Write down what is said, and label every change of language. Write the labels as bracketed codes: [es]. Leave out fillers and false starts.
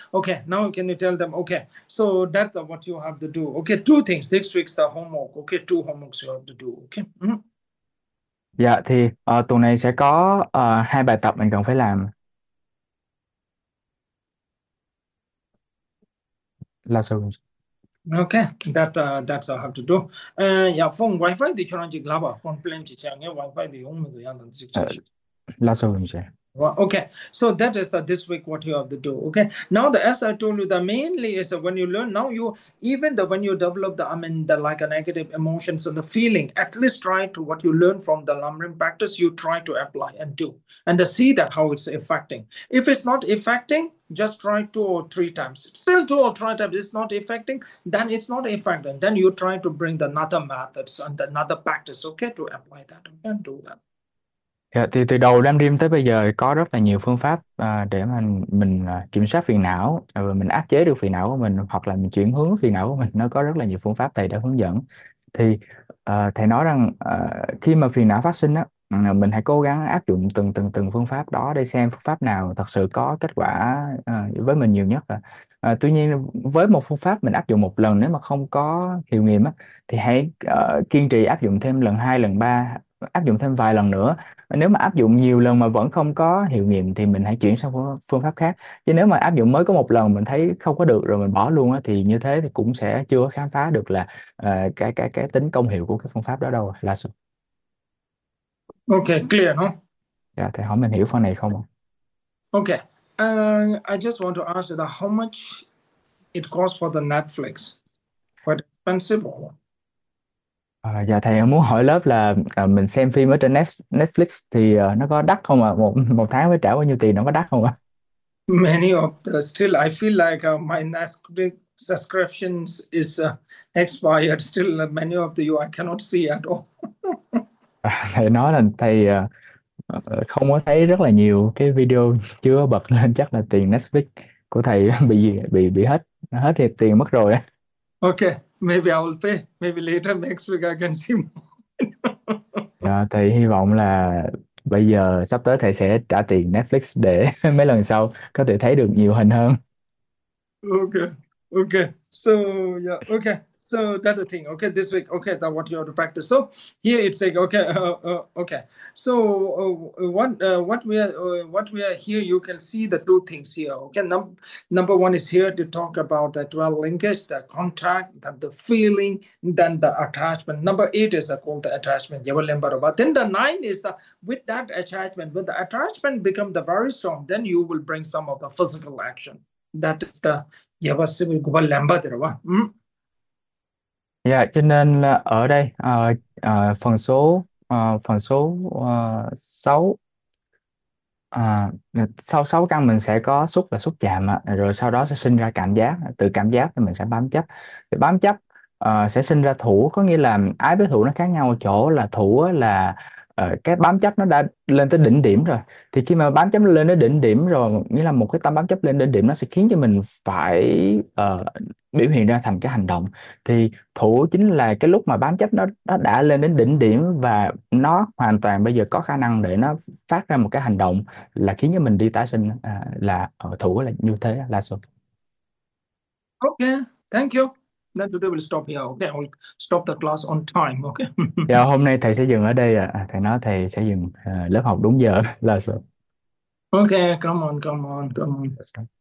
[en] Okay, now can you tell them? Okay, so that's what you have to do. Okay, two things. This week's the homework. Okay, two homeworks you have to do. Okay. [vi] dạ thì tuần này sẽ có 2 bài tập mình cần phải làm là sau. [en] Okay, that's all I have to do. [vi] Yeah, phone wifi thì cho nó chỉ là bảo phone plan chỉ chạy nghe wifi thì không được ăn được gì cho chị. Là sau mình sẽ. [en] Okay, so that is the this week what you have to do. Okay, now the as I told you, the mainly is when you learn. Now you even the when you develop the I mean the like a negative emotions and the feeling, at least try to what you learn from the Lamrim practice, you try to apply and do and to see that how it's affecting. If it's not affecting, just try 2 or 3 times. Still 2 or 3 times, it's not affecting. Then it's not affecting. Then you try to bring the another methods and another practice. Okay, to apply that and do that. [vi] Dạ, thì từ đầu Lam Rim tới bây giờ có rất là nhiều phương pháp để mà mình kiểm soát phiền não và mình áp chế được phiền não của mình hoặc là mình chuyển hướng phiền não của mình. Nó có rất là nhiều phương pháp thầy đã hướng dẫn. Thì thầy nói rằng khi mà phiền não phát sinh á, mình hãy cố gắng áp dụng từng từng từng phương pháp đó để xem phương pháp nào thật sự có kết quả với mình nhiều nhất. Tuy nhiên với một phương pháp mình áp dụng một lần nếu mà không có hiệu nghiệm á, thì hãy kiên trì áp dụng thêm lần 2, lần 3, áp dụng thêm vài lần nữa. Nếu mà áp dụng nhiều lần mà vẫn không có hiệu nghiệm thì mình hãy chuyển sang phương pháp khác. Chứ nếu mà áp dụng mới có một lần mình thấy không có được rồi mình bỏ luôn á, thì như thế thì cũng sẽ chưa khám phá được là cái tính công hiệu của cái phương pháp đó đâu là sao. [en] Okay, clear, huh? [vi] Dạ, thầy hỏi mình hiểu phần này không ạ? [en] Okay, I just want to ask you that how much it costs for the Netflix? Quite expensive. [vi] Dạ thầy em muốn hỏi lớp là mình xem phim ở trên Netflix thì nó có đắt không ạ? Một tháng mới trả bao nhiêu tiền, nó có đắt không ạ? [en] Many of the still, I feel like my subscriptions is expired. Still, many of the you I cannot see at all. [vi] Thầy nói là thầy không có thấy rất là nhiều cái video chưa bật lên, chắc là tiền Netflix của thầy bị hết hết thì tiền mất rồi. [en] Okay, maybe I will pay. Maybe later next week I can see more. [vi] Dạ, thầy hy vọng là bây giờ sắp tới thầy sẽ trả tiền Netflix để mấy lần sau có thể thấy được nhiều hình hơn. [en] Okay. So yeah. Okay. So that's the thing. Okay, this week. Okay, that what you have to practice. So here it's like okay. So what we are here. You can see the two things here. Okay, number one is here to talk about the dual linkage, the contact, then the feeling, then the attachment. Number eight is called the attachment. You remember. But then the nine is the with that attachment. When the attachment become the very strong, then you will bring some of the physical action. That is the Yavasimi Guba Lamba. [vi] Dạ, cho nên là ở đây phần số 6 sau 6 căn mình sẽ có xúc là xúc chạm rồi sau đó sẽ sinh ra cảm giác, từ cảm giác thì mình sẽ bám chấp. Thì bám chấp sẽ sinh ra thủ, có nghĩa là ái với thủ nó khác nhau ở chỗ là thủ là cái bám chấp nó đã lên tới đỉnh điểm rồi. Thì khi mà bám chấp lên đến đỉnh điểm rồi, nghĩa là một cái tâm bám chấp lên đến đỉnh, nó sẽ khiến cho mình phải biểu hiện ra thành cái hành động. Thì thủ chính là cái lúc mà bám chấp nó đã lên đến đỉnh điểm và nó hoàn toàn bây giờ có khả năng để nó phát ra một cái hành động là khiến cho mình đi tái sinh, là thủ là như thế là xuất. [en] Okay, thank you. Then today we'll stop here. Okay, I'll stop the class on time. Okay. [vi] Dạ hôm nay thầy sẽ dừng ở đây ạ. Thầy nói thầy sẽ dừng lớp học đúng giờ là sao. [en] Okay, come on, come on, come on.